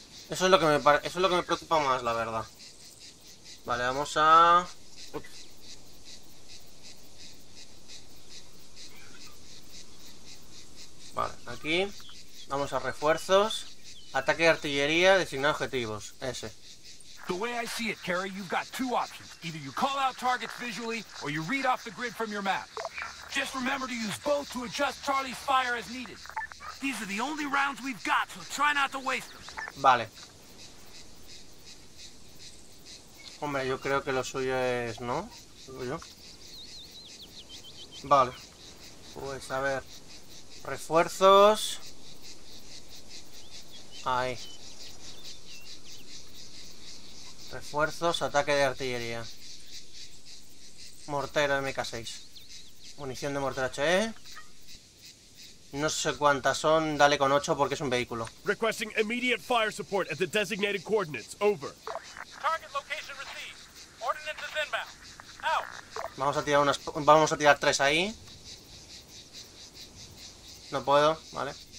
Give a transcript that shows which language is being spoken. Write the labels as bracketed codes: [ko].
[es] Eso es lo que me pare... Eso es lo que me preocupa más, la verdad. Vale, vamos a... Vale, aquí. Vamos a refuerzos. Ataque de artillería, designar objetivos. Ese. [en] The way I see it, Kerry, you've got two options. Either you call out targets visually, or you read off the grid from your map. Just remember to use both to adjust Charlie's fire as needed. These are the only rounds we've got, so try not to waste them. [es] Vale. Hombre, yo creo que lo suyo es, ¿no? ¿Suyo? Vale. Pues a ver. Refuerzos. Ahí. Refuerzos, ataque de artillería. Mortero MK6. Munición de mortero HE. No sé cuántas son, dale con 8 porque es un vehículo. [en] Requesting immediate fire support at the designated coordinates. Over. Target location received. Ordnance inbound. [es] Vamos a tirar unas, vamos a tirar 3 ahí. No puedo, vale.